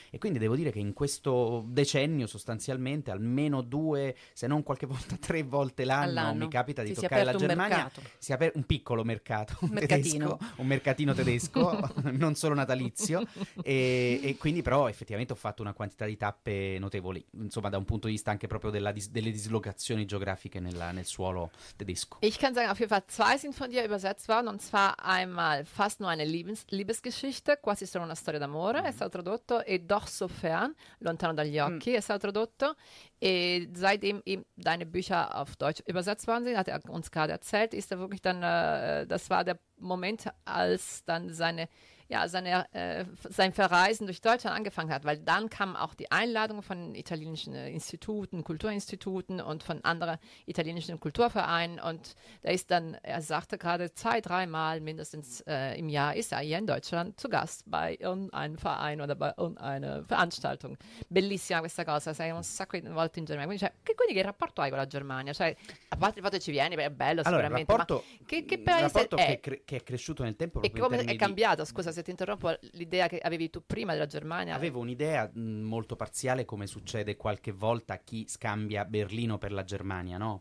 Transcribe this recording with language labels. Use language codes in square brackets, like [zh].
[it] E quindi devo dire che in questo decennio sostanzialmente almeno due, se non qualche volta tre volte l'anno mi capita di toccare la Germania. Si è aperto un piccolo mercato, un mercatino tedesco non solo natalizio, e quindi però effettivamente ho fatto una quantità di tappe notevoli, insomma, da un punto di vista anche proprio delle dislocazioni geografiche nel suolo tedesco. [de] Ich kann sagen, auf jeden Fall zwei sind von dir übersetzt worden, und zwar einmal Fast nur eine Liebesgeschichte, [it] quasi solo una storia d'amore, è stato tradotto, [de] e Doch so fern, [it] lontano dagli occhi, è stato tradotto. [de] Seitdem ihm deine Bücher auf Deutsch übersetzt worden sind, hat er uns gerade erzählt, ist er wirklich dann, das war der Moment, als dann seine ja, seine, sein Verreisen durch Deutschland angefangen hat, weil dann kamen auch die Einladungen von italienischen Instituten, Kulturinstituten und von anderen italienischen Kulturvereinen. Und da ist dann, er sagte gerade, 2-3 Mal mindestens im Jahr ist er hier in Deutschland zu Gast bei irgendeinem Verein oder bei irgendeiner Veranstaltung. [it] Bellissima questa cosa, sei un sacco di volte in Germania. Quindi, cioè, quindi che rapporto hai con la Germania? Cioè, a parte il fatto che ci vieni, è bello sicuramente. Allora, rapporto, ma che paese rapporto è? Che è cresciuto nel tempo. E come è cambiato? Scusa se ti interrompo, l'idea che avevi tu prima della Germania. Avevo un'idea molto parziale, come succede qualche volta a chi scambia Berlino per la Germania, no?